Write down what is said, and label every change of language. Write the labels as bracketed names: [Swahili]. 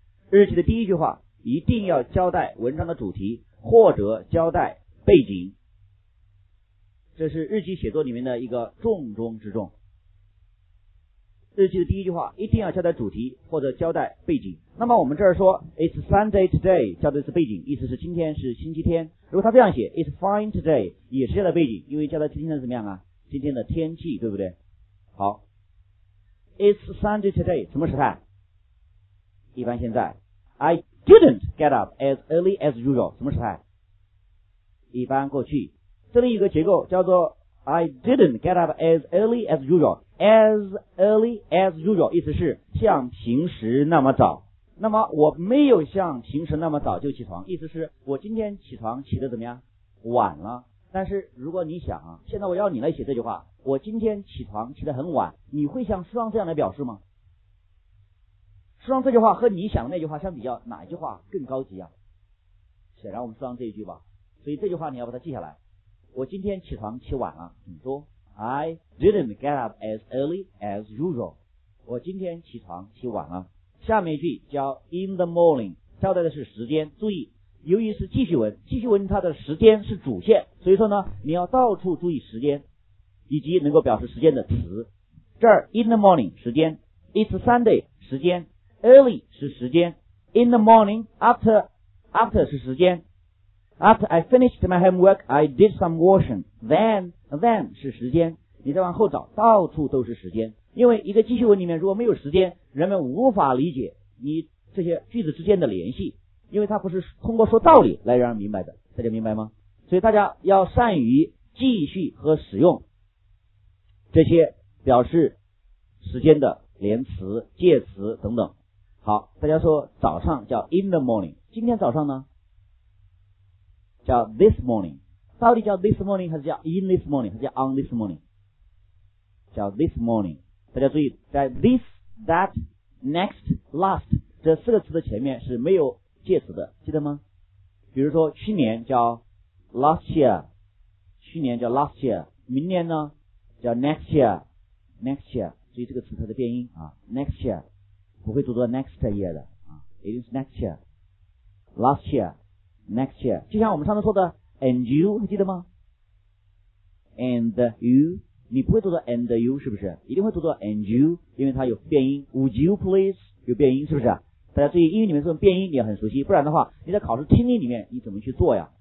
[Chinese] 日记的第一句话一定要交代文章的主题或者交代背景，这是日记写作里面的一个重中之重。日记的第一句话一定要交代主题或者交代背景。那么我们这儿说 [English] It's Sunday today [Chinese] 交代的是背景，意思是今天是星期天。如果他这样写 [English] It's fine today [Chinese] 也是交代背景，因为交代今天的怎么样啊，今天的天气，对不对？好， [English] It's Sunday today [Chinese] 什么时态？一般现在。 [English] I didn't get up as early as usual [Chinese] 什么时态？一般过去。这里有个结构叫做 [English] I didn't get up as early as usual。 As early as usual [Chinese] 意思是像平时那么早，那么我没有像平时那么早就起床，意思是我今天起床起得怎么样，晚了。但是如果你想啊，现在我要你来写这句话，我今天起床起得很晚，你会像书上这样来表示吗？书上这句话和你想的那句话相比较，哪一句话更高级啊？显然我们书上这一句吧，所以这句话你要把它记下来，我今天起床起晚了很多。 [English] I didn't get up as early as usual. [Chinese] 我今天起床起晚了。下面一句叫 [English] in the morning， [Chinese] 交代的是时间。注意，由于是记叙文，记叙文它的时间是主线，所以说呢，你要到处注意时间，以及能够表示时间的词。这儿 [English] in the morning [Chinese] 时间 ， [English] it's Sunday [Chinese] 时间 ，early 是时间 ， [English] in the morning after [Chinese] 是时间。 [English] After I finished my homework, I did some washing. [Chinese] Then 是时间，你再往后找，到处都是时间。因为一个记叙文里面如果没有时间，人们无法理解你这些句子之间的联系，因为它不是通过说道理来让人明白的。大家明白吗？所以大家要善于记叙和使用这些表示时间的连词、介词等等。好，大家说早上叫 [English] in the morning， [Chinese] 今天早上呢？叫 [English] this morning， [Chinese] 到底叫 this morning 还是叫 [English] in this morning [Chinese] 还是叫 [English] on this morning？ [Chinese] 叫 [English] this morning， [Chinese] 大家注意，在 this、that、next、last 这四个词的前面是没有介词的，记得吗？比如说去年叫 [English] last year， [Chinese] 去年叫 last year， 明年呢叫 [English] next year， [Chinese] next year， 注意这个词它的变音啊 ，next year 不会读作 next year 的啊 ， [English] it is next year，last year。 [Chinese] Next year， 就像我们上次说的 [English] and you， [Chinese] 还记得吗？and you， 你不会读作 and you 是不是？一定会读作 [English] and you， [Chinese] 因为它有变音。 [English] Would you please [Chinese] 有变音，是不是？大家注意，英语里面这种变音你要很熟悉，不然的话你在考试听力里面你怎么去做呀？